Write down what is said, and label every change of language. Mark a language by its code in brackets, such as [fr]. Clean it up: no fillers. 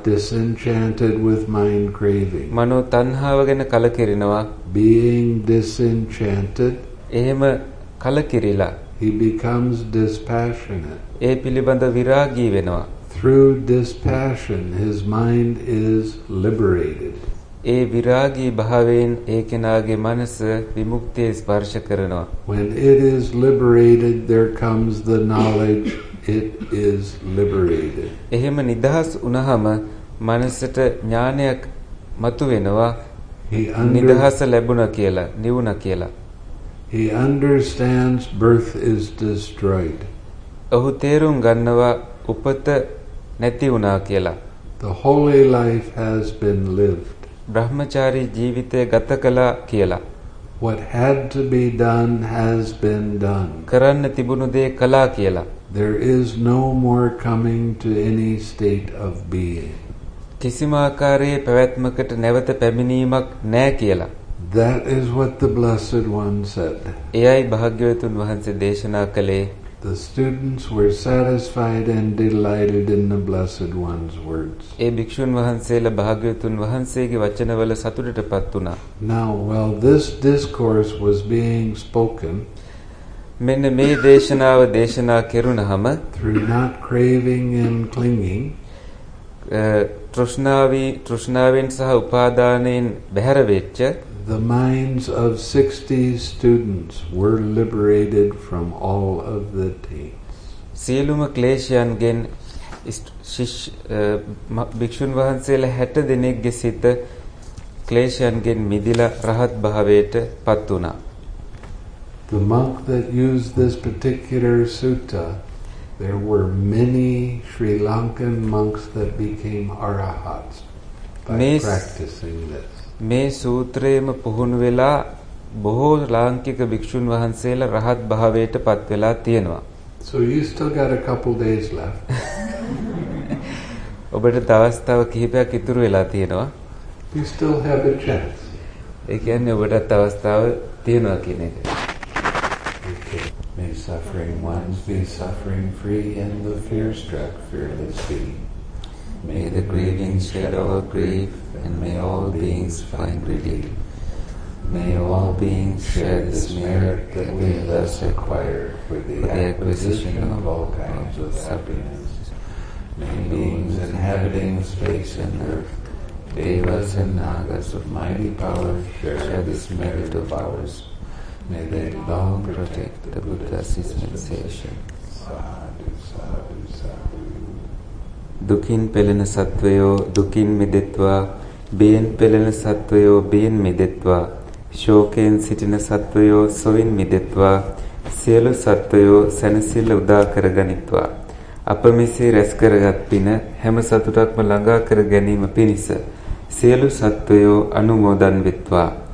[en] Disenchanted with mind craving. [si] මනෝ තණ්හාව ගැන කලකිරෙනවා. [en] Being disenchanted. [si] එහෙම කලකිරිලා. [en] He becomes dispassionate. [si] ඒ පිළිබඳ විරාගී වෙනවා. [en] Through dispassion his mind is liberated. [si] ඒ විරාගී භාවයෙන් ඒ කෙනාගේ මනස විමුක්තිය ස්පර්ශ කරනවා. [en] When it is liberated, there comes the knowledge it is liberated. [si] එහෙම නිදහස් වුණහම මනසට ඥානයක් මතුවෙනවා. නිදහස ලැබුණා කියලා, නිවුණා කියලා. [en] He understands birth is destroyed. [si] ඔහු තේරුම් ගන්නවා උපත නැති වුණා කියලා. [en] The holy life has been lived. [si] බ්‍රහ්මචාරී ජීවිතය ගත කළා කියලා. [en] What had to be done has been done. [si] කරන්න තිබුණු දේ කළා කියලා. [en] There is no more coming to any state of being. [si] කිසිම ආකාරයේ පැවැත්මකට නැවත පැමිණීමක් නැහැ කියලා. [en] That is what the blessed one said. [si] එයයි භාග්‍යවතුන් වහන්සේ දේශනා කළේ. [en] The students were satisfied and delighted in the blessed one's words. [si] ඒ භික්ෂුන් වහන්සේලා භාග්‍යවතුන් වහන්සේගේ වචනවල සතුටටපත් වුණා. [en] Now while this discourse was being spoken, [si] මෙන්න මේ දේශනාව දේශනා කෙරුණාම, [en] through not craving and clinging, [si] තෘෂ්ණාවෙන් සහ උපාදානෙන් බැහැර වෙච්ච [en] The minds of 60 students were liberated from all of the taints. [si] සියලුම ක්ලේශයන්ගෙන් ශිෂ්‍ය භික්ෂුන් වහන්සේලා 60 දිනෙකගේ සිට ක්ලේශයන්ගෙන් මිදිලා රහත් භාවයට පත් වුණා. [en] The monk that used this particular sutta, there were many Sri Lankan monks that became arahats by practicing this. [si] මේ සූත්‍රයේම පුහුණු වෙලා බොහෝ ලාංකික භික්ෂුන් වහන්සේලා රහත් භාවයට පත් වෙලා තියෙනවා. [en] So you still got a couple days left. [si] ඔබට දවස් තව කිහිපයක් ඉතුරු වෙලා තියෙනවා. [en] You still have a chance. [si] ඒ කියන්නේ ඔබට අවස්ථාව තියෙනවා කියන එක. [en] May suffering ones be suffering free in the fear struck fearless being. May the grieving shed all grief, and may all beings find relief. May all beings share this merit that we thus acquire for the acquisition of all kinds of happiness. May beings inhabiting space and earth, devas and nagas of mighty power, share this merit of ours. May they long protect the Buddha's dispensation. Sadhu, sadhu, sadhu. [si] දුකින් පෙළෙන සත්වයෝ දුකින් මිදෙත්වා බියෙන් පෙළෙන සත්වයෝ බියෙන් මිදෙත්වා ශෝකයෙන් සිටින සත්වයෝ සොයින් මිදෙත්වා සියලු සත්වයෝ සැනසෙල්ල උදා කරගනිත්වා අප මෙසේ රැස් කරගත් පින හැම සතුටක්ම ළඟා කර ගැනීම පිණිස සියලු සත්වයෝ අනුමෝදන් වෙත්වා